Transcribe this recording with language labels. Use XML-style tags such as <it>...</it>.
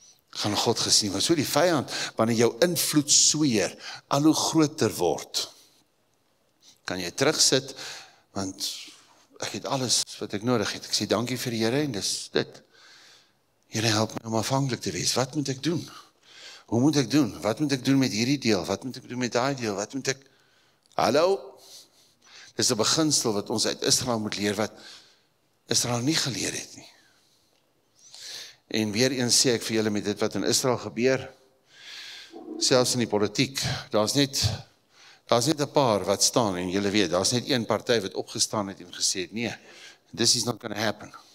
<af>Gaan God gesien word, so die vyand, wanneer jou invloed sweer, al hoe groter word, kan jy terugsit, want ek het alles wat ek nodig het. Ek sê dankie vir die Here, en dis dit. Here, help my om afhanklik te wees. Wat moet ek doen? Hoe moet ek doen? Wat moet ek doen met hierdie deel? Wat moet ek doen met daai deel? Wat moet ek... Hallo? Dis 'n beginsel wat ons uit Israel moet leer, wat Israel nie geleer het nie. En weer eens sê ek vir julle met dit wat in Israel gebeur, selfs in die politiek, daar is net 'n paar wat staan, en julle weet, daar is net een partij wat opgestaan het en gesê het, nee,</af> <en>this is not gonna happen.</en>